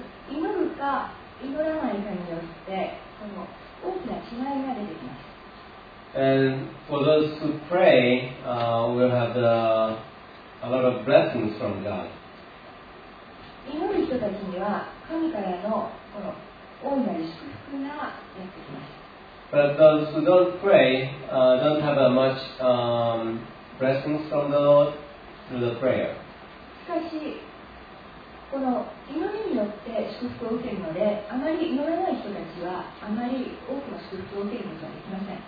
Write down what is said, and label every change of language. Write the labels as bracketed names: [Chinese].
[Japanese] 祈るか祈らないかによってその大きな違いが出てきます。 [English] And for those who pray, we'll have a lot of blessings from God. [Japanese] 祈る人たちには神からのこの大いなる祝福がやってきます。 [English] But those who don't pray don't have a much blessings from the Lord through the prayer. [Japanese] しかし、この祈りによって祝福を受けるので、あまり祈らない人たちはあまり多くの祝福を受けることはできません。